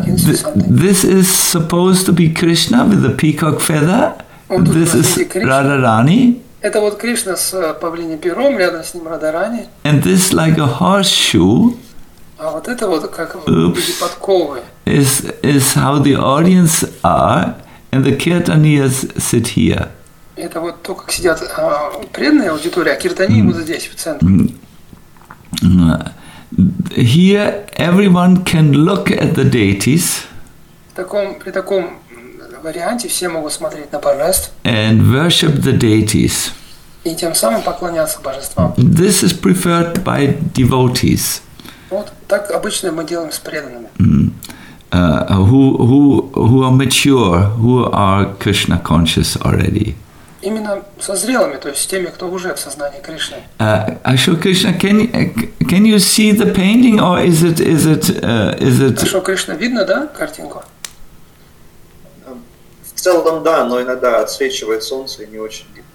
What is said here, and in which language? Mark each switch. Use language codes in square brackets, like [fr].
[en] this is supposed to be Krishna with the peacock feather. This is Radharani. [ru] Это вот Кришна с павлиньим пером, рядом с ним Радарани. [en] And this like a horseshoe. [ru] А вот это вот как люди подковы. [en] Is how the audience are, and the kirtaniyas sit here. [ru] Это вот то, как сидят преданные аудитории, а киртани вот здесь в центре. [en] Here everyone can look at the deities. [ru] При таком варианте все могут смотреть на божеств. [en] And worship the deities. [ru] И тем самым поклоняться божествам. [en] This is preferred by devotees. [ru] Вот так обычно мы делаем с преданными. [en] Who are mature, who are Krishna conscious already. [ru] Именно со зрелыми, то есть с теми, кто уже в сознании Кришны. [en] Ашока Кришна, can you see the painting, or is it? [ru] Ашока Кришна, видно, да, картинку? В целом, да, но иногда отсвечивает солнце, и не очень видно.